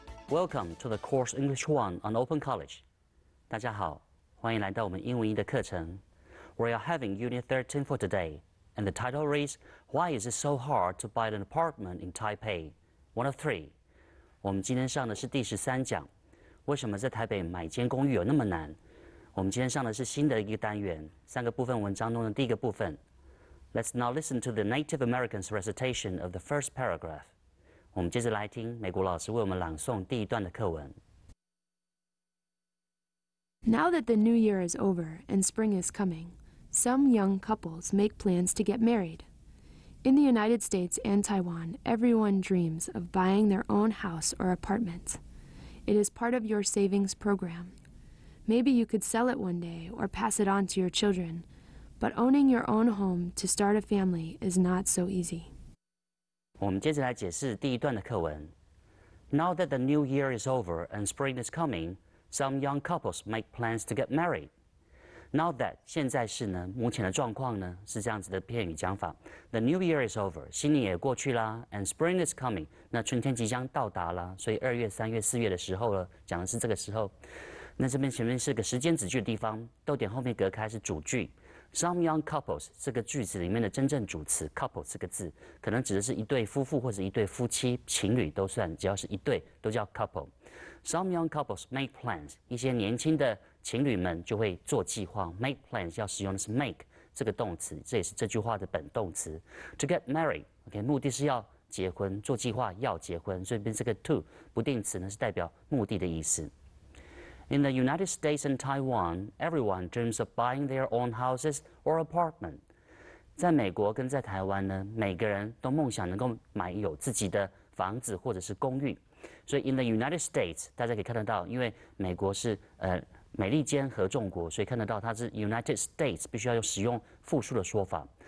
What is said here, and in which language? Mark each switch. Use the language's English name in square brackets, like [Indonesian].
[English] Welcome to the course English One on Open College. [Chinese] 大家好，欢迎来到我们英文一的课程。 [English] We are having Unit 13 for today, and the title reads, Why is it so hard to buy an apartment in Taipei? One of three. [Chinese] 我们今天上的是第十三讲，为什么在台北买间公寓有那么难？我们今天上的是新的一个单元，三个部分文章中的第一个部分。 [English] Let's now listen to the Native American's recitation of the first paragraph. [Chinese] 我们接着来听美国老师为我们朗诵第一段的课文。 [English] Now that the new year is over and spring is coming, some young couples make plans to get married. In the United States and Taiwan, everyone dreams of buying their own house or apartment. It is part of your savings program. Maybe you could sell it one day or pass it on to your children, but owning your own home to start a family is not so easy. [Chinese] 我们接着来解释第一段的课文。 [English] Now that the new year is over and spring is coming, some young couples make plans to get married. Now that [Chinese] 现在是呢，目前的状况呢是这样子的片语讲法。 [English] The new year is over, [Chinese] 新年也过去啦 ， [English] and spring is coming, [Chinese] 那春天即将到达啦，所以二月、三月、四月的时候了，讲的是这个时候。那这边前面是个时间子句的地方，逗点后面隔开是主句。 [English] Some young couples [Chinese] 这个句子里面的真正主词 couple 这个字，可能指的是一对夫妇或者一对夫妻情侣都算，只要是一对都叫 couple。 [English] Some young couples make plans， [Chinese] 一些年轻的情侣们就会做计划。 [English] Make plans [Chinese] 要使用的是 make 这个动词，这也是这句话的本动词。 [English] To get married， [Chinese] OK，目的是要结婚，做计划要结婚，所以这个 to 不定词呢是代表目的的意思。 [English] In the United States and Taiwan, everyone dreams of buying their own houses or apartment. [Chinese] 在美国跟在台湾呢，每个人都梦想能够买有自己的房子或者是公寓。所以 [English] in the United States, [Chinese] 大家可以看得到，因为美国是美利坚合众国，所以看得到它是 United States, 必须要使用复数的说法。